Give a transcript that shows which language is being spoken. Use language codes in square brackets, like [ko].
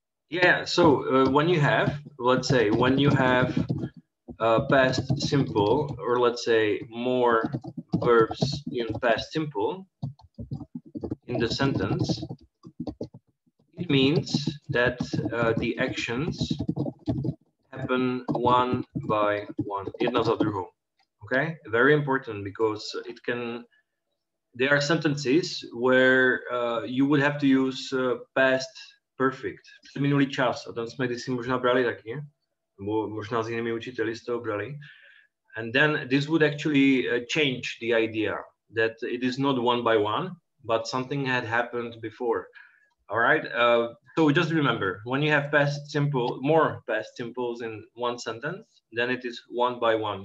[en] Yeah, so when you have, let's say, when you have past simple, or let's say more verbs in past simple in the sentence, it means that the actions happen one by one. [cs] Jedna za druhou. [en] Okay, very important because it can... There are sentences where you would have to use past perfect. [cs] Minulý čas, a tam jsme si možná brali taky, nebo možná s jinými učiteli z toho brali. [en] And then this would actually change the idea that it is not one by one, but something had happened before. All right, so just remember, when you have past simple, more past simples in one sentence, then it is one by one.